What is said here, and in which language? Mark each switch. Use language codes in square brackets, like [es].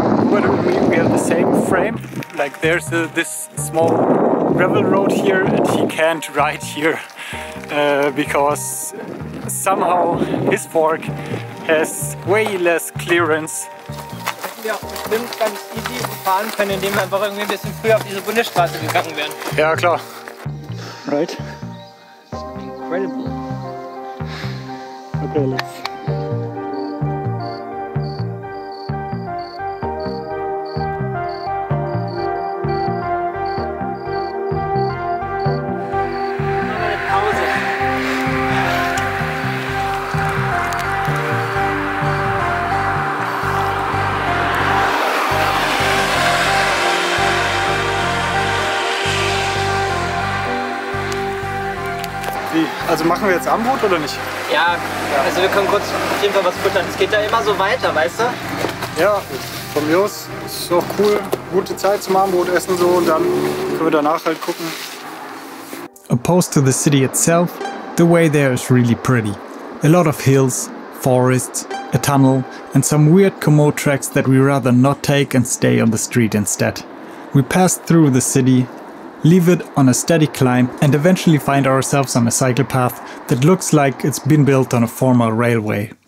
[en] But we have the same frame. Like, there's this small gravel road here, and he can't ride here because somehow his fork has way less clearance. [de] Das wäre auch bestimmt ganz easy fahren können, indem wir einfach irgendwie ein bisschen früher auf diese Bundesstraße gegangen wären. Ja, klar. [en] Right? Incredible. Okay, let's. [de] Also machen wir jetzt Abendbrot oder nicht? Ja, also wir können kurz auf jeden Fall was füttern. Es geht ja immer so weiter, weißt du? Ja, von mir aus ist auch cool, gute Zeit zum Abendbrot essen so, und dann können wir danach halt gucken. [en] Opposed to the city itself, the way there is really pretty. A lot of hills, forests, a tunnel and some weird commode tracks that we rather not take and stay on the street instead. We pass through the city, leave it on a steady climb, and eventually find ourselves on a cycle path that looks like it's been built on a former railway.